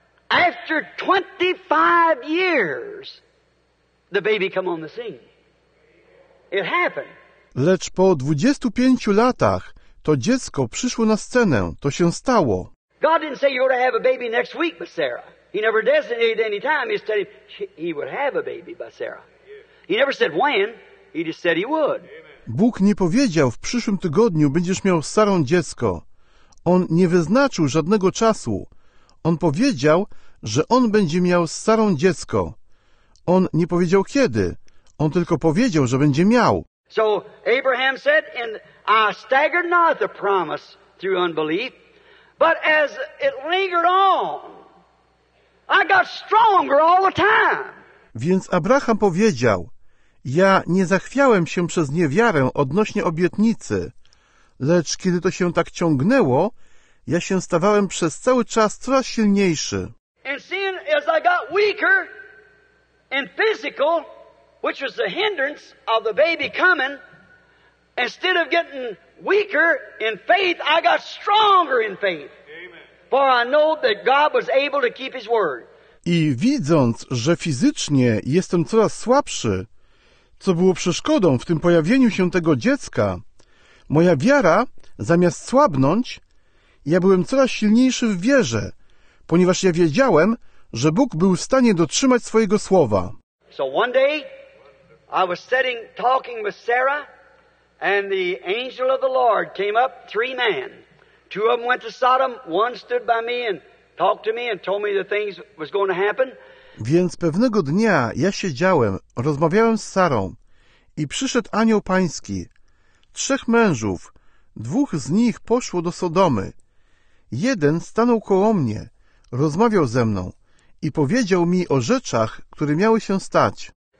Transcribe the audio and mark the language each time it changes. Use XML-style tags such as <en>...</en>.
<en>After 25 years, the baby come on the scene. It happened.</en> <pl>Lecz po 25 latach to dziecko przyszło na scenę. To się stało.</pl> <en>God didn't say you ought to have a baby next week by Sarah. He never designated any time. He said he would have a baby by Sarah. He never said when. He just said he would.</en> <pl>Bóg nie powiedział, w przyszłym tygodniu będziesz miał z Sarą dziecko. On nie wyznaczył żadnego czasu. On powiedział, że on będzie miał z Sarą dziecko. On nie powiedział kiedy. On tylko powiedział, że będzie miał.</pl> <en>So Abraham said, and I staggered not the promise through unbelief, but as it lingered on, I got stronger all the time.</en> <pl>Więc Abraham powiedział, ja nie zachwiałem się przez niewiarę odnośnie obietnicy, lecz kiedy to się tak ciągnęło, ja się stawałem przez cały czas coraz silniejszy.</pl> <en>And seeing as I got weaker in physical, which was the hindrance of the baby coming, instead of getting weaker in faith, I got stronger in faith. Amen. For I know that God was able to keep his word.</en> <pl>I widząc, że fizycznie jestem coraz słabszy, co było przeszkodą w tym pojawieniu się tego dziecka, moja wiara, zamiast słabnąć, ja byłem coraz silniejszy w wierze, ponieważ ja wiedziałem, że Bóg był w stanie dotrzymać swojego słowa.</pl> <en>So one day, I was sitting talking with Sarah, and the angel of the Lord came up, three men. Two of them went to Sodom, one stood by me and talked to me and told me the things was going to happen.</en> <pl>Więc pewnego dnia ja siedziałem, rozmawiałem z Sarą i przyszedł anioł pański. Trzech mężów, dwóch z nich poszło do Sodomy. Jeden stanął koło mnie, rozmawiał ze mną i powiedział mi o rzeczach, które miały się stać.</pl>